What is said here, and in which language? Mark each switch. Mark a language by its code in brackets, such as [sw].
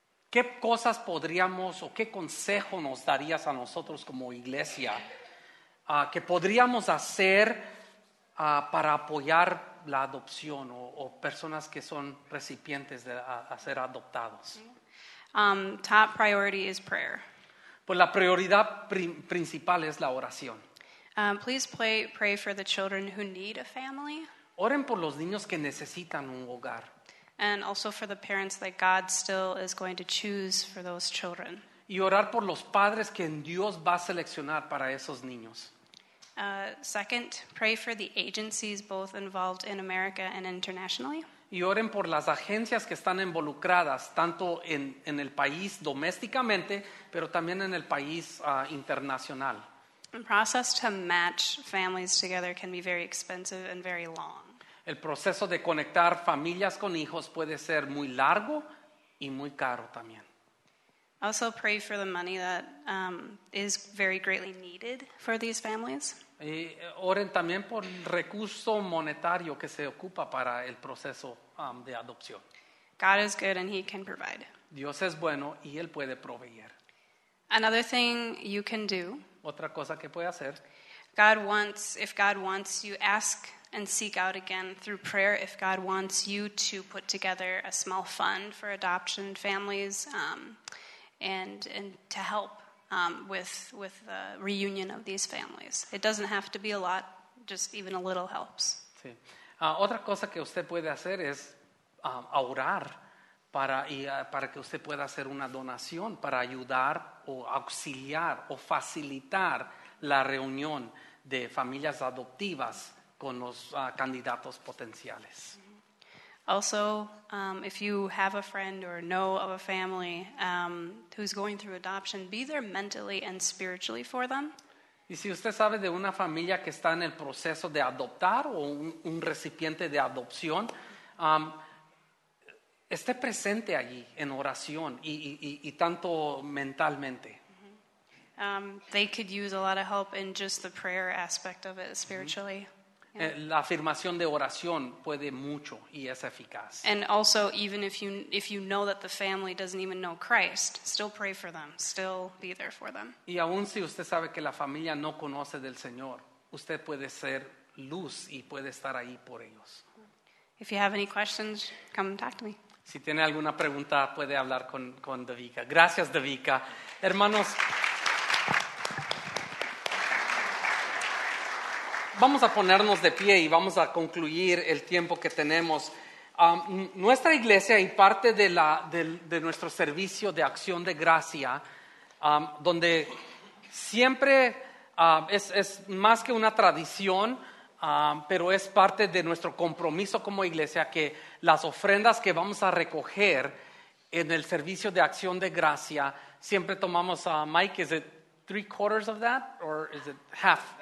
[es] ¿Qué cosas podríamos o qué consejo nos darías a nosotros como iglesia que podríamos hacer para apoyar la adopción o personas que son recipientes de a ser adoptados? [en] Top priority is prayer. [es] Pues la prioridad principal es la oración. [en] Please pray for the children who need a family. [es] Oren por los niños que necesitan un hogar. [en] And also for the parents that God still is going to choose for those children. [es] Y orar por los padres que Dios va a seleccionar para esos niños. [en] Second, pray for the agencies both involved in America and internationally. [es] Y oren por las agencias que están involucradas tanto en el país domésticamente, pero también en el país internacional. [en] The process to match families together can be very expensive and very long. [es] El proceso de conectar familias con hijos puede ser muy largo y muy caro también. [en] Also pray for the money that is very greatly needed for these families. [es] Y oren también por el recurso monetario que se ocupa para el proceso de adopción. [en] God is good and he can provide. [es] Dios es bueno y él puede proveer. [en] Another thing you can do. [es] Otra cosa que puede hacer. [en] If God wants, you ask and seek out again through prayer if God wants you to put together a small fund for adoption families and to help with the reunion of these families. It doesn't have to be a lot, just even a little helps. [es] Sí. Otra cosa que usted puede hacer es orar para que usted pueda hacer una donación para ayudar o auxiliar o facilitar la reunión de familias adoptivas con los candidatos potenciales. [en] Also, if you have a friend or know of a family who's going through adoption, be there mentally and spiritually for them. [es] Y si usted sabe de una familia que está en el proceso de adoptar o un recipiente de adopción, esté presente allí en oración y tanto mentalmente. [en] They could use a lot of help in just the prayer aspect of it spiritually. [es] La afirmación de oración puede mucho y es eficaz. [en] And also, even if you know that the family doesn't even know Christ, still pray for them, still be there for them. [es] Y aun si usted sabe que la familia no conoce del Señor, usted puede ser luz y puede estar ahí por ellos. [en] If you have any questions, come talk to me. [es] Si tiene alguna pregunta, puede hablar con Davika. Gracias, Davika. Hermanos, vamos a ponernos de pie y vamos a concluir el tiempo que tenemos. Nuestra iglesia y parte de nuestro servicio de acción de gracia, donde siempre es más que una tradición, pero es parte de nuestro compromiso como iglesia, que las ofrendas que vamos a recoger en el servicio de acción de gracia, siempre tomamos a Mike, ¿es 3/4 of that or is it half?